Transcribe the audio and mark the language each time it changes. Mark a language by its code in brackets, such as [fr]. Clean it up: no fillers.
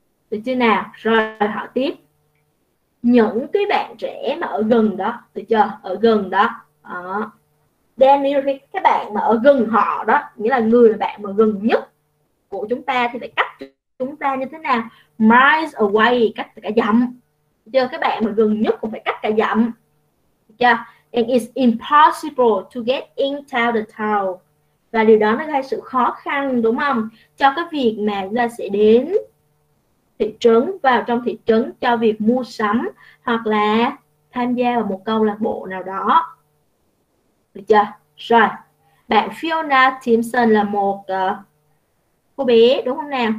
[vi] Được chưa nào? Rồi, họ tiếp. Những cái bạn trẻ mà ở gần đó, được chưa? Ở gần đó. Đó. Daniel, các bạn mà ở gần họ đó, nghĩa là người là bạn mà gần nhất của chúng ta thì phải cách chúng ta như thế nào? [en] Miles away, [vi] cách cả dặm. Được chưa? Các bạn mà gần nhất cũng phải cách cả dặm. Được chưa? [en] And it's impossible to get into the town. [vi] Và điều đó nó gây sự khó khăn, đúng không? Cho cái việc mà chúng ta sẽ đến thị trấn, vào trong thị trấn cho việc mua sắm hoặc là tham gia vào một câu lạc bộ nào đó. Được chưa? Rồi. Bạn Fiona Timson là một cô bé, đúng không nào?